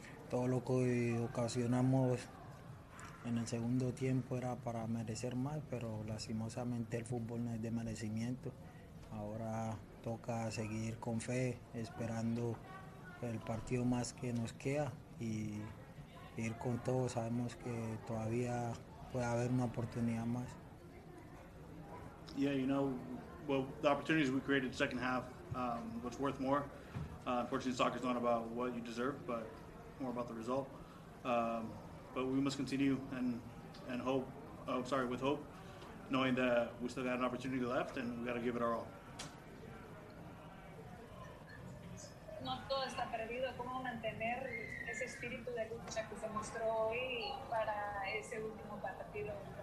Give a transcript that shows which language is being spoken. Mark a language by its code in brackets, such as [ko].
[es] todo lo que ocasionamos en el segundo tiempo era para merecer más, pero lastimosamente el fútbol no es de merecimiento. Ahora toca seguir con fe, esperando el partido más que nos queda y ir con todo. Sabemos que todavía puede haber una oportunidad más. [en] Yeah, you know, well, the opportunities we created in the second half, what's worth more? Unfortunately, soccer is not about what you deserve, but more about the result. But we must continue and hope, with hope, knowing that we still got an opportunity left and we got to give it our all. [es] No todo está perdido. ¿Cómo mantener ese espíritu de lucha que se mostró hoy para ese último partido?